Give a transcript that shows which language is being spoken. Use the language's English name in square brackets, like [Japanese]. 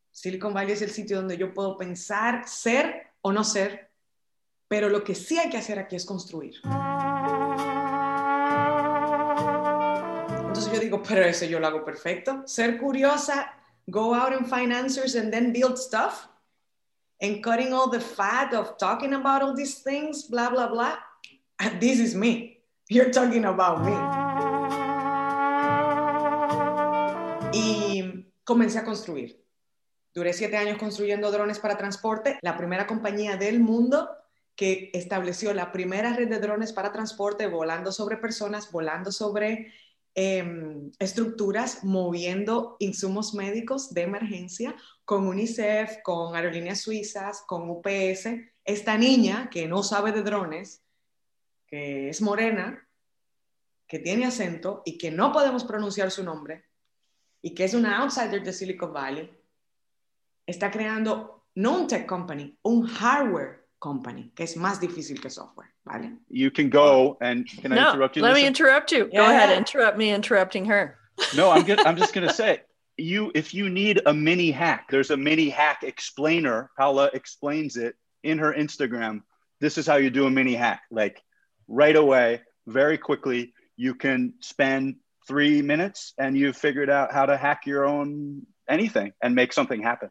[Spanish] Silicon Valley es el sitio donde yo puedo pensar ser o no ser, pero lo que sí hay que hacer aquí es construir. Entonces yo digo, pero eso yo lo hago perfecto. Ser curiosa, [English] go out and find answers and then build stuff. And cutting all the fat of talking about all these things, blah, blah, blah. And this is me. You're talking about me. [Spanish] Y comencé a construir. Duré 7 años construyendo drones para transporte. La primera compañía del mundo que estableció la primera red de drones para transporte volando sobre personas, volando sobre estructuras, moviendo insumos médicos de emergencia con UNICEF, con Aerolíneas Suizas, con UPS. Esta niña que no sabe de drones, que es morena, que tiene acento y que no podemos pronunciar su nombre y que es una outsider de Silicon Valley, está creando no un tech company, un hardware company, que es más difícil que software, ¿vale? [English] You can go and can no, I interrupt you? No, let me interrupt you. Yeah. Go ahead, interrupt me interrupting her. No, I'm just going to say, if you need a mini hack, there's a mini hack explainer, Paula explains it in her Instagram. This is how you do a mini hack. Like right away, very quickly, you can spend 3 minutes and you've figured out how to hack your own anything and make something happen.